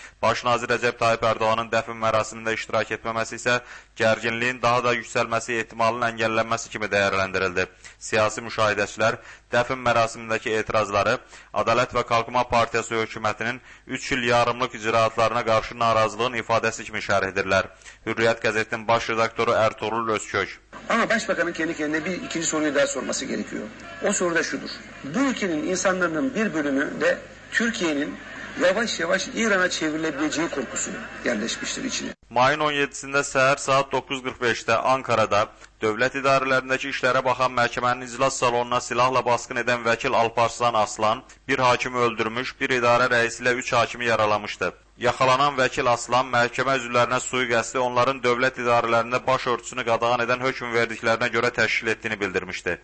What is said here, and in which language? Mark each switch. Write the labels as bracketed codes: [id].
[az] Baş nazir Rəcəb Tayyip Erdoğanın dəfn mərasimində iştirak etməməsi isə gərginliyin daha da yüksəlməsi ehtimalının əngəllənməsi kimi dəyərləndirildi. Siyasi müşahidəçilər dəfn mərasimindəki etirazları Adalet və Qalqınma Partiyası hökumətinin 3 il yarımlıq icraatlarına qarşı narazılığın ifadəsi kimi şərh edirlər. Hürriyyət qəzetinin baş redaktoru Ertuğrul Özkök. [tr] Ama başbakanın kendi kendine bir ikinci soruyu daha sorması gerekiyor. O soru da şudur. Bu ülkenin insanlarının bir bölümü de Türkiye'nin yavaş yavaş İran'a çevrilebileceği korkusu yerleşmiştir içine. [az] Mayın 17-sində səhər saat 9:45-də Ankarada dövlət idarələrindəki işlərə baxan məhkəmənin iclas salonuna silahla baskın edən vəkil Alparslan Aslan bir hakimi öldürmüş, bir idarə rəisi ilə 3 hakimi yaralamışdı. Yaxalanan vəkil Aslan məhkəmə üzvlərinə sui-qəsdi onların dövlət idarələrində baş örtüsünü qadağan edən hökm verdiklərinə görə təşkil etdiyini bildirmişdi.